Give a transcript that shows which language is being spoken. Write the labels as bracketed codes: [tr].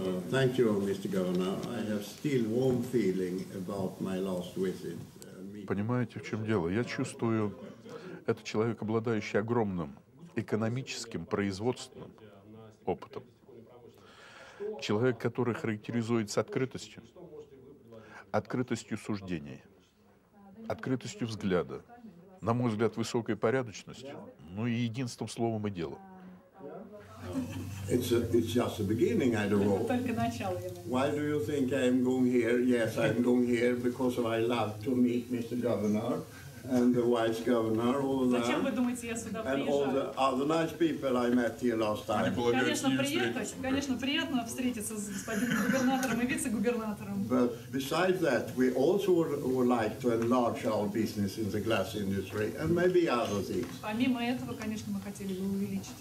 [en] Thank you, Mr. Governor. I have still warm feeling about my last visit. [ru] Понимаете, в чем дело? Я чувствую, это человек, обладающий огромным экономическим, производственным опытом. Человек, который характеризуется открытостью, открытостью суждений, открытостью взгляда, на мой взгляд, высокой порядочностью, ну и единством словом и делом. [en] It's just the beginning, I don't know. [ru] Только начало. [en] Why do you think I'm going here? Yes, I'm going here because I love to meet Mr. Governor and the Vice Governor over there. [ru] Зачем вы думаете, я сюда приезжаю? [en] And all the other nice people I met here last time. [ru] Конечно, приятно встретиться с господином губернатором и вице-губернатором. [en] But besides that, we also would like to enlarge our business in the glass industry and maybe other things. [ru] Помимо этого, конечно, мы хотели бы увеличить